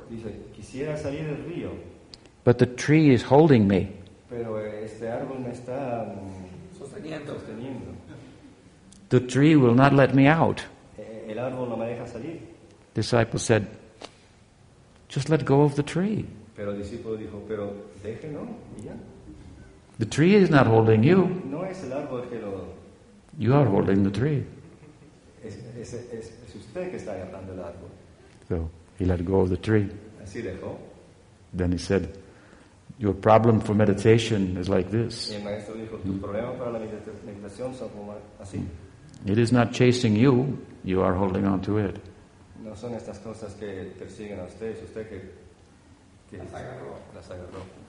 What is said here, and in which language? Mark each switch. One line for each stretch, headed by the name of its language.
Spanish: Dice, quisiera salir del río.
English: But the tree is holding me.
Spanish: Pero este árbol me está sosteniendo.
English: The tree will not let me out.
Spanish: El árbol no me deja salir.
English: Disciple said, just let go of the tree.
Spanish: Pero el discípulo dijo, pero déjelo y ya.
English: The tree is not holding you.
Spanish: No es el árbol que lo.
English: You are holding the tree.
Spanish: Es usted que está agarrando el árbol.
English: So he let go of the tree.
Spanish: Así dejó.
English: Then he said, your problem for meditation is like this.
Spanish: Y el maestro dijo, tu problema para la meditación son como así.
English: It is not chasing you, you are holding on to it.
Spanish: No son estas cosas que persiguen a usted, es usted que las agarró.